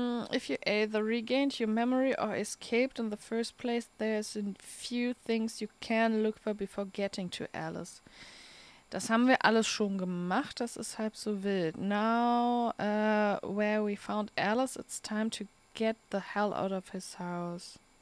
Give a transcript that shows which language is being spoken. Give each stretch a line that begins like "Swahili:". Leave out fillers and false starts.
English: If you either regained your memory or escaped in the first place, there's a few things you can look for before getting to Alice.
German: Das haben wir alles schon gemacht, das ist halb so wild.
English: Now, where we found Alice, it's time to get the hell out of his house.